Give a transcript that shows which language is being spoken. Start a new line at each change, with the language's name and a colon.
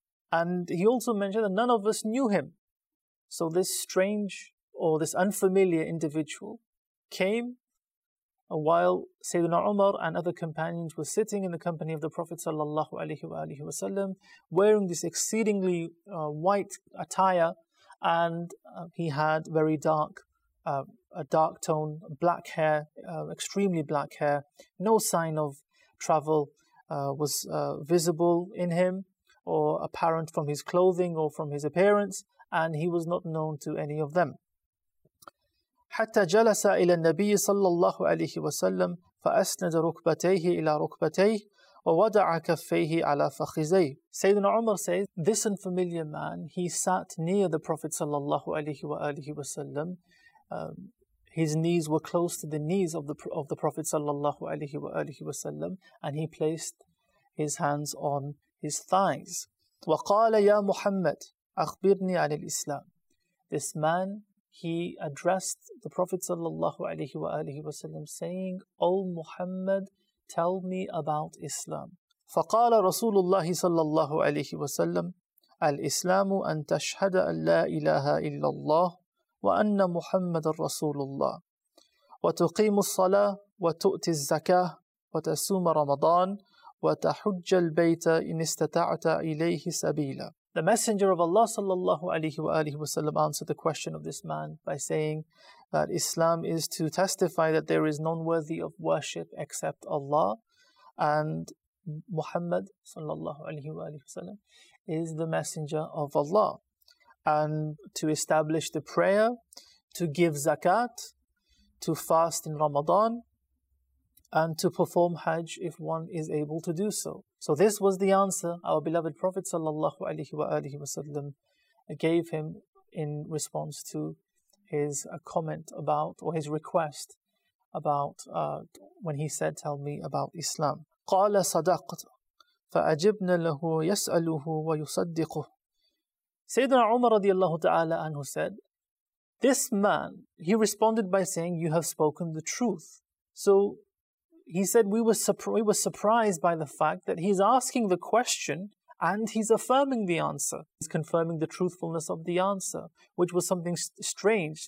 English: And he also mentioned that none of us knew him. So this strange, or this unfamiliar individual, came while Sayyidina Umar and other companions were sitting in the company of the Prophet sallallahu alaihi wa alihi wasallam, wearing this exceedingly white attire, and he had very dark, a dark tone, black hair, extremely black hair. No sign of travel was visible in him, or apparent from his clothing or from his appearance, and he was not known to any of them.
Arabic: حتى جلس إلى النبي صلى الله عليه وسلم فأسند ركبتيه إلى ركبتيه ووضع كفيه على فخذيه.
English: سيدنا عمر says, this unfamiliar man, he sat near the Prophet صلى الله عليه وآله وسلم. His knees were close to the knees of the Prophet صلى الله عليه وآله وسلم, and he placed his hands on his thighs.
Arabic: وقال يا محمد أخبرني عن الإسلام.
English: This man, he addressed the Prophet sallallahu alaihi wa alihi wasallam saying, O Muhammad, tell me about Islam.
Arabic: فقال رسول الله صلى الله عليه وسلم الإسلام أن تشهد أن لا إله إلا الله وأن محمد رسول الله وتقيم الصلاة وتؤتي الزكاة وتصوم رمضان وتحج البيت إن استطعت إليه سبيلا.
English: The Messenger of Allah sallallahu alayhi wa alihi wasallam answered the question of this man by saying that Islam is to testify that there is none worthy of worship except Allah, and Muhammad sallallahu alayhi wa alihi wasallam is the Messenger of Allah, and to establish the prayer, to give zakat, to fast in Ramadan, and to perform Hajj if one is able to do so. So this was the answer our beloved Prophet sallallahu alaihi wa alihi wasallam gave him in response to his comment about, or his request about, when he said, tell me about Islam.
Arabic: قال صدقت فأجبنا له يسأله ويصدقه.
English: Sayyidina Umar radiallahu ta'ala anhu said, this man, he responded by saying, you have spoken the truth. So he said, we were surprised by the fact that he's asking the question and he's affirming the answer. He's confirming the truthfulness of the answer, which was something strange.